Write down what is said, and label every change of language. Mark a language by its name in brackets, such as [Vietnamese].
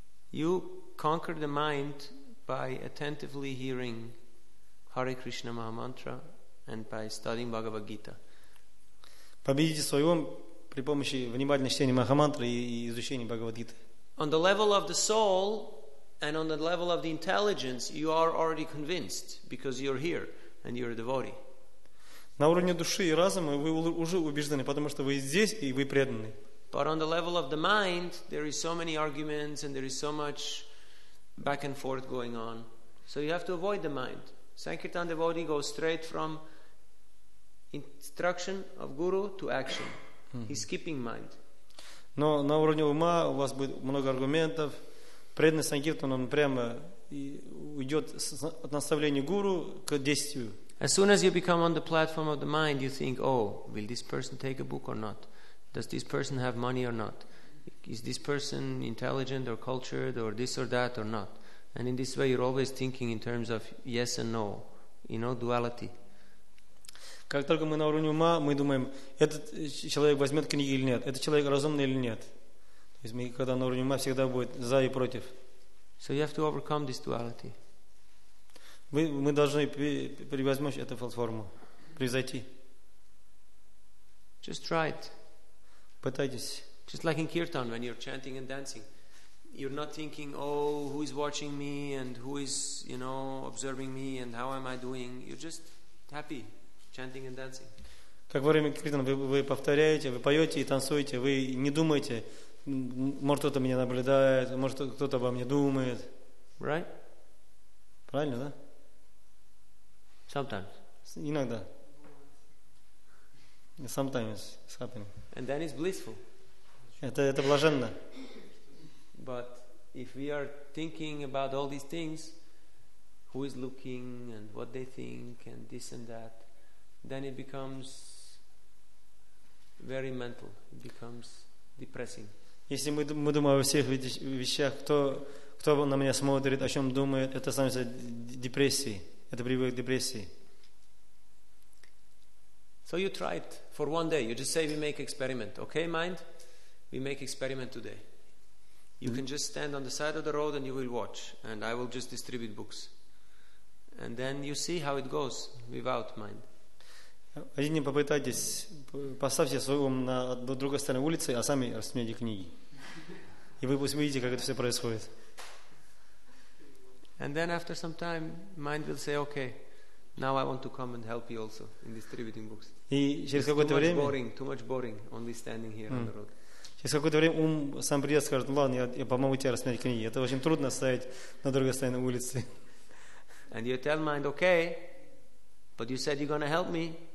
[English] You conquer the mind by attentively hearing Hare Krishna Maha Mantra and by studying Bhagavad Gita. [Russian] Победите свой ум при помощи внимательного чтения Махамантры и изучения Бхагавад Гиты. [English] On the level of the soul and on the level of the intelligence, you are already convinced because you're here and you're a devotee. [Russian] На уровне души и разума вы уже убеждены, потому что вы здесь и вы преданы. [English] But on the level of the mind, there is so many arguments and there is so much back and forth going on. So you have to avoid the mind. Sankirtan devotee goes straight from instruction of guru to action. He's skipping mind. [Russian] Но на уровне ума у вас будет много аргументов. Преданный санкиртан, он прямо уйдет от наставления гуру к действию. [English] As soon as you become on the platform of the mind, you think, oh, will this person take a book or not? Does this person have money or not? Is this person intelligent or cultured or this or that or not? And in this way, you're always thinking in terms of yes and no, you know, duality. [Russian] Как только мы на уровне ума, мы думаем, этот человек возьмет книги или нет, этот человек разумный или нет. То есть мы, когда на уровне ума, всегда будет за и против. [English] So you have to overcome this duality. [Russian] Мы должны превозмочь эту платформу, превзойти. [English] Just try it. [Russian] Пытайтесь. [English] Just like in Kirtan, when you're chanting and dancing. You're not thinking, oh, who is watching me and who is, you know, observing me and how am I doing. You're just happy. Chanting and dancing. [Russian] Как во время Киртана вы повторяете, вы поете и танцуете, вы не думаете, может кто-то меня наблюдает, может кто-то обо мне думает. [English] Right? [Russian] Правильно, да? [English] Sometimes. [Russian] Иногда. [English] Sometimes it's happening. And then it's blissful. [Russian] Это блаженно. [English] But if we are thinking about all these things, who is looking and what they think and this and that, then it becomes very mental. It becomes depressing. [Russian] Если мы думаем о всех вещах, кто на меня смотрит, о чем думает, это становится депрессией. Это приводит к депрессии. [English] So you try it for one day. You just say we make experiment. Okay, mind? We make experiment today. You can just stand on the side of the road and you will watch. And I will just distribute books. And then you see how it goes without mind. [Russian] Один день попытайтесь, поставьте свой ум на другой стороне улицы, а сами рассмотрите книги. И вы увидите, как это все происходит. [English] And then after some time, mind will say, okay, now I want to come and help you also in distributing books. [Russian] И через [English] It's [Russian] какое-то [English] too [Russian] время... [English] Much boring, too much boring, only standing here on the road. [Russian] Через какое-то время ум сам придет и скажет, ладно, я помогу тебе рассмотреть книги. Это очень трудно стоять на другой стороне улицы. [English] And you tell mind, okay, but you said you're going to help me.